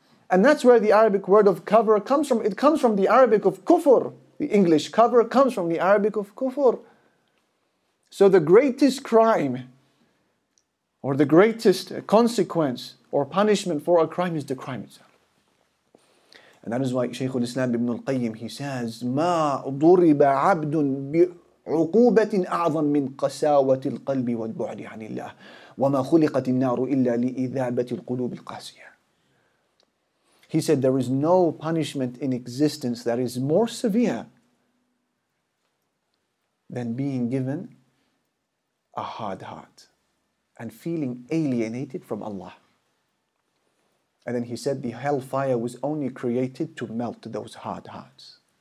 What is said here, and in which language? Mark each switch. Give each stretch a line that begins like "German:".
English: And that's where the Arabic word of cover comes from. It comes from the Arabic of kufr. The English cover comes from the Arabic of kufr. So the greatest crime or the greatest consequence or punishment for a crime is the crime itself. And that is why Shaykh al-Islam ibn al-Qayyim, he says,
Arabic: مَا ضُرِبَ عَبْدٌ بِعُقُوبَةٍ أَعْظَمْ مِنْ قَسَاوَةِ الْقَلْبِ وَالْبُعْدِ عَنِ اللَّهِ وَمَا خُلِقَتِ النَّارُ إِلَّا لِإِذَابَةِ الْقُلُوبِ الْقَاسِيَةِ.
English: He said, there is no punishment in existence that is more severe than being given a hard heart and feeling alienated from Allah. And then he said, the hellfire was only created to melt those hard hearts.